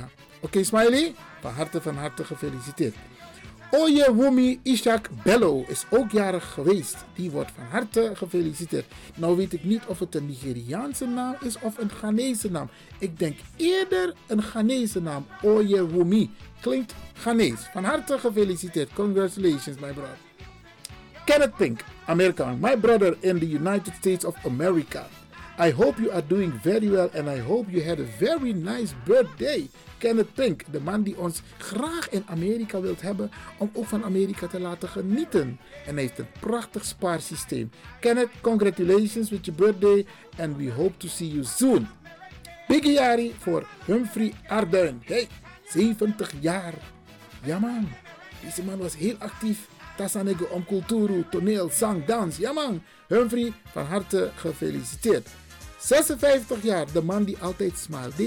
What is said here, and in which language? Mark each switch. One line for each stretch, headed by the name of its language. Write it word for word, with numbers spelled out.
Dutch: Oké, okay, Smiley? Van harte, van harte gefeliciteerd. Oye Wumi Ishak Bello is ook jarig geweest. Die wordt van harte gefeliciteerd. Nou weet ik niet of het een Nigeriaanse naam is of een Ghanese naam. Ik denk eerder een Ghanese naam. Oye Wumi. Klinkt Ghanees. Van harte gefeliciteerd.
English: Congratulations, my brother. Kenneth Pink, Amerikaan. My brother in the United States of America. I hope you are doing very well and I hope you had a very nice birthday.
Dutch: Kenneth Pink, de man die ons graag in Amerika wilt hebben om ook van Amerika te laten genieten. En hij heeft een prachtig spaarsysteem.
English: Kenneth, congratulations with your birthday and we hope to see you soon.
Dutch: Biggie Jari voor Humphrey Arduin. Hey, zeventig jaar. Ja man, deze man was heel actief. Tassanego om cultuur, toneel, zang, dans. Ja man, Humphrey, van harte gefeliciteerd. zesenvijftig jaar, de man die altijd smaalt.